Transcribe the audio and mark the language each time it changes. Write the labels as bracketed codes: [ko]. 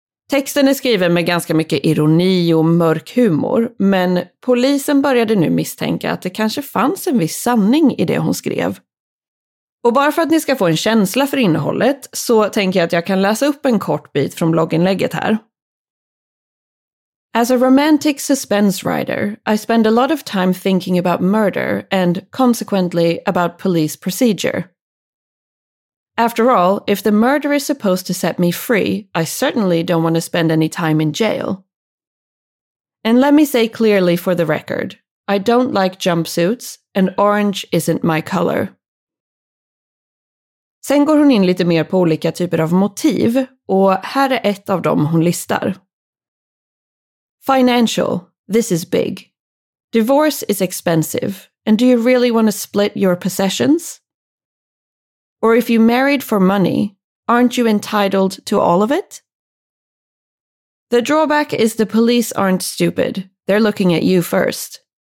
[sv] Texten är skriven med ganska mycket ironi och mörk humor, men polisen började nu misstänka att det kanske fanns en viss sanning i det hon skrev. Och bara för att ni ska få en känsla för innehållet så tänker jag att jag kan läsa upp en kort bit från blogginlägget här. [en] As a romantic suspense writer, I spend a lot of time thinking about murder and, consequently, about police procedure. After all, if the murder is supposed to set me free, I certainly don't want to spend any time in jail. And let me say clearly for the record, I don't like jumpsuits, and orange isn't my color. [sv] Sen går hon in lite mer på olika typer av motiv, och här är ett av dem hon listar. [en] Financial, this is big. Divorce is expensive, and do you really want to split your possessions? Or if you married for money, aren't you entitled to all of it? The drawback is the police aren't stupid. They're looking at you first.